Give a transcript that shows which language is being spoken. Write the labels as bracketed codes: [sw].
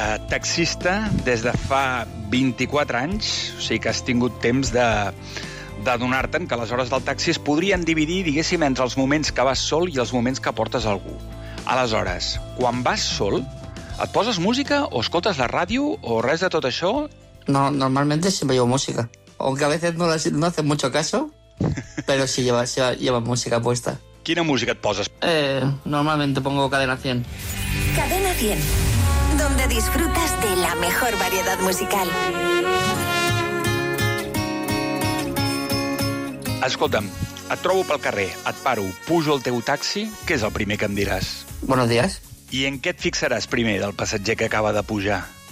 [ca] Taxista des de fa 24 anys, o sigui que has tingut temps d'adonar-te'n que les hores del taxi es podrien dividir, diguéssim, entre els moments que vas sol i els moments que portes algú. Aleshores, quan vas sol, et poses música o escoltes la ràdio o res de tot això? [es] No, normalmente siempre llevo música, aunque a veces no hace mucho caso, pero sí lleva música puesta. [ca] Quina música et poses? [es] Normalmente pongo Cadena 100. Cadena 100. Donde disfrutas de la mejor variedad musical. [ca] Escolta'm, et trobo pel carrer, et paro, pujo el teu taxi, què és el primer que em diràs? [es] Buenos días. [ca] I en què et fixaràs primer del passatger que acaba de pujar?